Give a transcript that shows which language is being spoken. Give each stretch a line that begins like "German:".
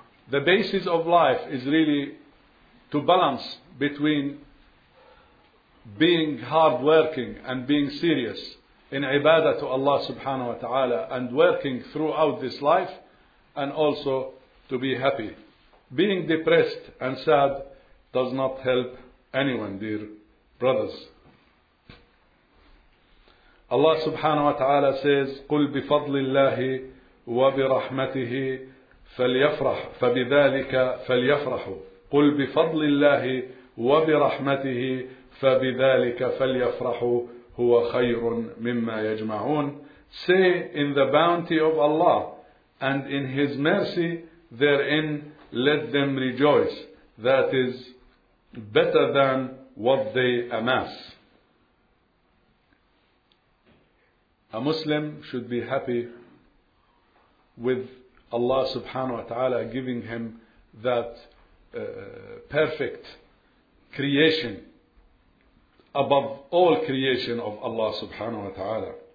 English: The basis of life is really to balance between being hardworking and being serious in ibadah to Allah subhanahu wa ta'ala, and working throughout this life, and also to be happy. Being depressed and sad does not help anyone, dear brothers. Allah subhanahu wa ta'ala says,
Arabic: قُلْ بِفَضْلِ اللَّهِ وَبِرَحْمَتِهِ فَبِذَلِكَ فَلْيَفْرَحُ قُلْ بِفَضْلِ اللَّهِ وَبِرَحْمَتِهِ فَبِذَلِكَ فَلْيَفْرَحُ هُوَ خَيْرٌ مِمَّا يَجْمَعُونَ.
English: Say, in the bounty of Allah and in His mercy therein, let them rejoice. That is better than what they amass. A Muslim should be happy with Allah subhanahu wa ta'ala giving him that perfect creation above all creation of Allah subhanahu wa ta'ala.